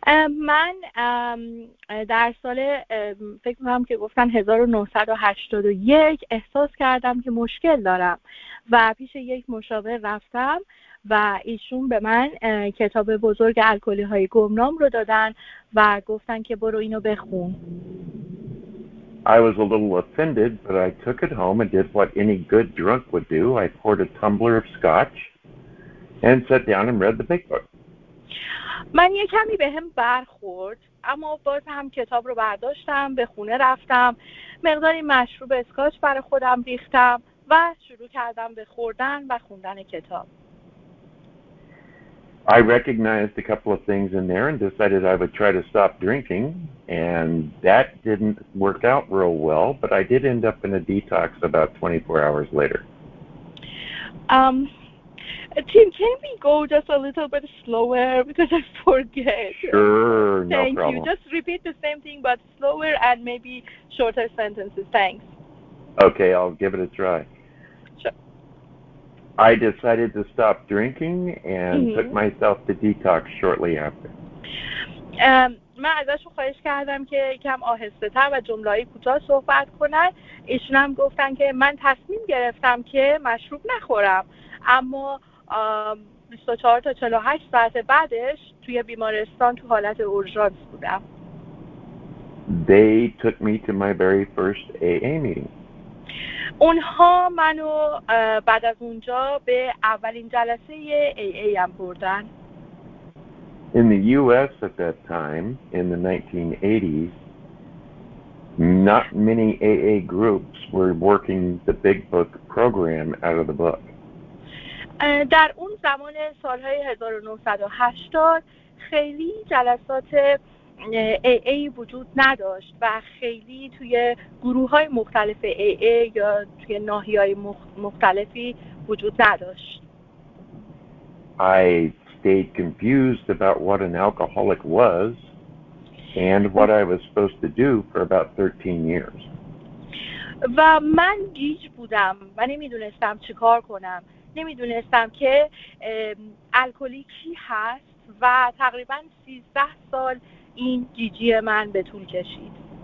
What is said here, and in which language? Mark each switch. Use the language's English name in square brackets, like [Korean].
[Persian] من در سال فکر می‌کنم که گفتن 1981 احساس کردم که مشکل دارم و پیش یک مشاور رفتم و ایشون به من کتاب بزرگ الکلی‌های گمنام رو دادن و گفتن که برو اینو بخون. [English] I was a little offended, but I took it home and did what any good drunk would do. I poured a tumbler of scotch and sat down and read the big book. [Persian] من یه کمی به هم برخورد، اما باز هم کتاب رو برداشتم، به خونه رفتم، مقداری مشروب اسکاچ برای خودم ریختم و شروع کردم به خوردن و خوندن کتاب. [English] I recognized a couple of things in there and decided I would try to stop drinking, and that didn't work out real well, but I did end up in a detox about 24 hours later. Tim, can we go just a little bit slower because I forget? Sure, no Thank problem. Thank you. Just repeat the same thing but slower and maybe shorter sentences. Thanks. Okay, I'll give it a try. I decided to stop drinking and mm-hmm. took myself to detox shortly after. [Persian] من ازش خواهش کردم که کم آهسته تر و جمله‌ای کوتاه صحبت کنه. ایشون هم گفتن که من تصمیم گرفتم که مشروب نخورم، اما 24 تا 48 ساعت بعدش توی بیمارستان تو حالت اورژانس بودم. [English] They took me to my very first AA meeting. [Persian] اونها منو بعد از اونجا به اولین جلسه AA هم بردن. [English] In the US at that time, in the 1980s, not many AA groups were working the Big Book program out of the book. [Persian] در اون زمان سالهای 1980 خیلی جلسات AA وجود نداشت و خیلی توی گروه‌های مختلف AA یا توی ناحیه‌های مختلفی وجود نداشت. I stayed confused about what an alcoholic was and what I was supposed to do for about 13 years. و من گیج بودم و نمی‌دونستم چیکار کنم. نمی‌دونستم که الکلی کی هست و تقریبا 13 سال این گیجی من به طول کشید.